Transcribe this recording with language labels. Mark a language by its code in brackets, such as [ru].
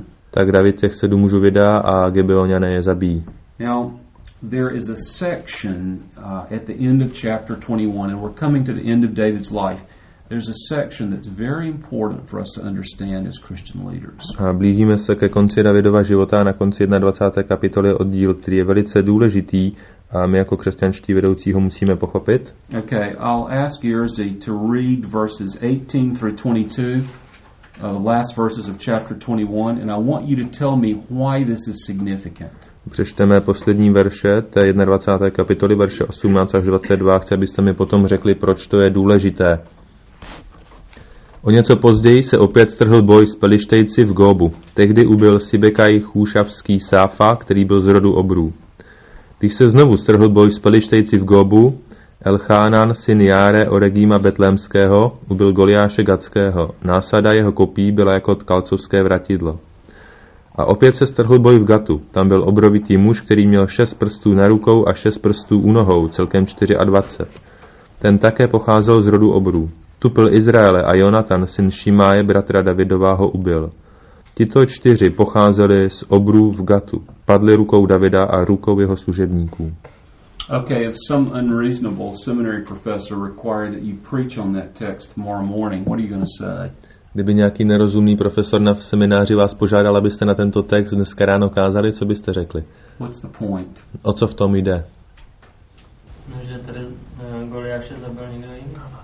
[cs] Tak David těch sedm mužů vydá a Gibeoniané je zabijí. [en] Now there is a section at the end of chapter 21, and we're coming to the end of David's life. There's a section that's very important for us to understand as Christian leaders. [cs] A blížíme se ke konci Davidova života a na konci 21. kapitoly oddíl, který je velice důležitý. A my jako křesťanští vedoucí ho musíme pochopit. [en] Okay, I'll ask Jerzy to read verses 18 through 22, the last verses of chapter 21, and I want you to tell me why this is significant. [cs] Přečteme poslední verše, té 21. kapitoly, verše 18 až 22, chci, abyste mi potom řekli, proč to je důležité. O něco později se opět strhl boj s Pelištejci v Góbu. Tehdy ubil Sibekaj chůšavský Sáfa, který byl z rodu obrů. Když se znovu strhl boj s Pelištejci v Góbu, Elchánan, syn Járe Oregíma Betlémského, ubil Goliáše Gackého. Násada jeho kopí byla jako tkalcovské vratidlo. A opět se strhl boj v Gatu. Tam byl obrovitý muž, který měl 6 prstů na rukou a 6 prstů u nohou, celkem 24. Ten také pocházel z rodu obrů. Tupil Izraele a Jonatan, syn Šimáje, bratra Davidova, ho ubil. Tito čtyři pocházeli z obrů v Gatu. Padli rukou Davida a rukou jeho služebníků. [en] Okay, if some unreasonable seminary professor required that you preach on that text tomorrow morning, what are you going to say? [cs] Kdyby nějaký nerozumný profesor na semináři vás požádal, abyste na tento text dneska ráno kázali, co byste řekli? [en] What's the point? [cs] O co v tom jde? No, že tady Goliáše zabil někdo jiný.